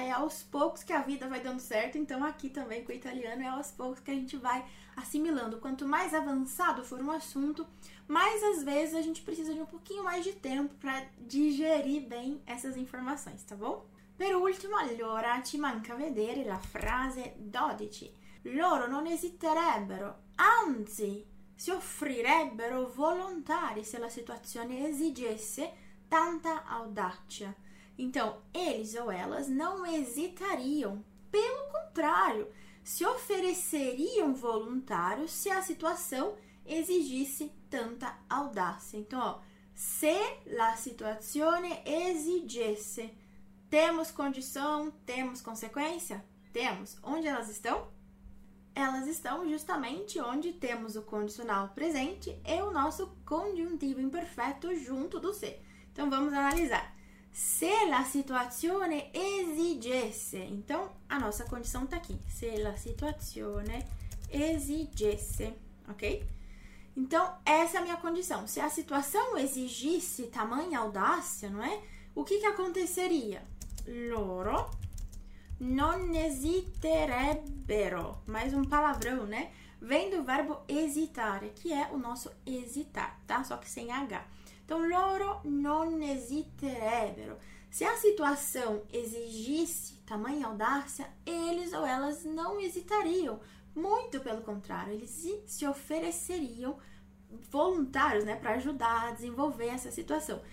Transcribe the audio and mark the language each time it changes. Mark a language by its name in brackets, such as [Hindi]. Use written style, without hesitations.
[Portuguese] É aos poucos que a vida vai dando certo, então aqui também com o italiano é aos poucos que a gente vai assimilando. Quanto mais avançado for um assunto, mais às vezes a gente precisa de um pouquinho mais de tempo para digerir bem essas informações, tá bom? [Italian] Per último, allora, ci manca vedere la frase 12. Loro non esiterebbero, anzi, si offrirebbero volontari se la situazione esigesse tanta audacia. [Portuguese] Então, eles ou elas não esitariam. Pelo contrário, se ofereceriam voluntários se a situação exigisse tanta audácia. Então, ó, [Italian] se la situazione esigesse, [Portuguese] temos condição, temos consequência? Temos. Onde elas estão? Elas estão justamente onde temos o condicional presente e o nosso conjuntivo imperfeito junto do se. Então vamos analisar. [Italian] Se la situazione esigesse, [Portuguese] então a nossa condição está aqui. [Italian] Se la situazione esigesse, ok? [Portuguese] Então, essa é a minha condição. Se a situação exigisse tamanha audácia, não é? O que que aconteceria? [Italian] Loro non esiterebbero. [Portuguese] Mais um palavrão, né? Vem do verbo esitare, que é o nosso hesitar, tá? Só que sem H. [Italian] Então, loro non esiterebbero. [Portuguese] Se a situação exigisse tamanha audácia, eles ou elas não hesitariam. Muito pelo contrário, eles se ofereceriam voluntários, né, para ajudar a desenvolver essa situação.